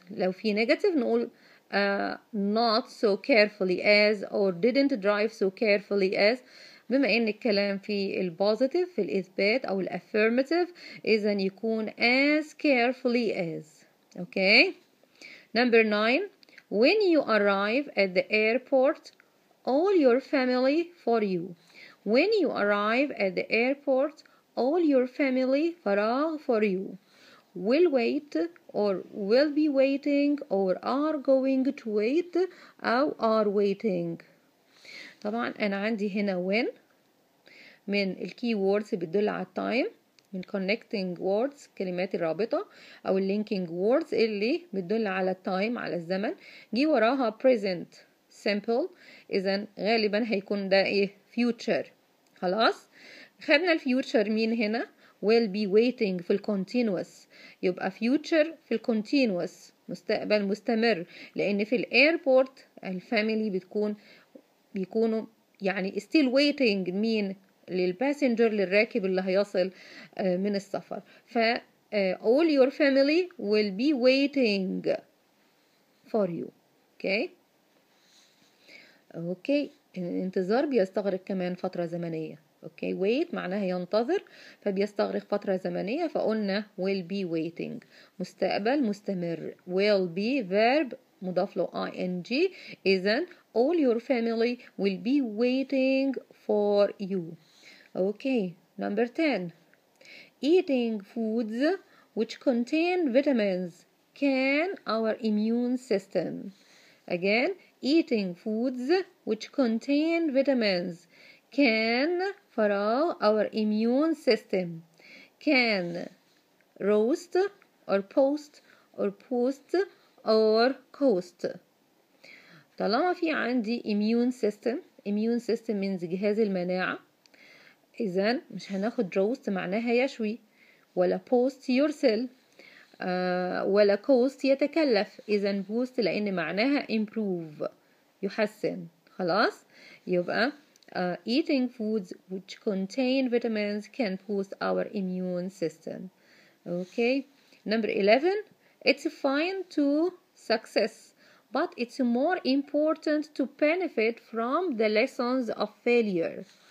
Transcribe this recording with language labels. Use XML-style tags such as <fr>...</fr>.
<ar>لو في نيجاتيف نقول</ar> <en>not so carefully as or didn't drive so carefully as.</en> <ar>بما إن الكلام في البوزيتيف في الإثبات أو الأفيرماتيف، إذن يكون</ar> <en>as carefully as. okay. number 9. when you arrive at the airport all your family for you. when you arrive at the airport all your family فراغ for you. will wait or will be waiting or are going to wait أو are waiting.</en> <ar>طبعا أنا عندي هنا when من ال keywords بتدل على time, من connecting words كلمات الرابطة أو linking words اللي بتدل على time على الزمن. جي وراها present simple, إذن غالبا هيكون ده إيه future. خلاص خدنا ال future مين هنا؟</ar> <en>will be waiting</en> <ar>في الcontinuous, يبقى future في الcontinuous مستقبل مستمر, لأن في الايربورت الفاميلي بتكون بيكونوا يعني</ar> <en>still waiting</en> <ar>مين للباسنجر للراكب اللي هيصل من السفر.</ar> <en>ف all your family will be waiting for you.</en> <ar>اوكي اوكي الانتظار بيستغرق كمان فترة زمنية. اوكي wait معناها ينتظر فبيستغرق فترة زمنية, فقلنا</ar> <en>will be waiting</en> <ar>مستقبل مستمر.</ar> <en>will be verb</en> <ar>مضاف له</ar> <en>ing, اذا all your family will be waiting for you. Okay number 10 eating foods which contain vitamins can our immune system. again eating foods which contain vitamins can فراغ our immune system. can roast or post or post or coast.</en> <ar>طالما في عندي</ar> <en>immune system, immune system means</en> <ar>جهاز المناعة, إذن مش هناخد roast معناها يشوي, ولا post يرسل, ولا coast يتكلف. إذن boost لأن معناها improve يحسن.</ar> <en>خلاص يبقى eating foods which contain vitamins can boost our immune system. Okay. Number 11. It's fine to success, but it's more important to benefit from the lessons of failure.</en>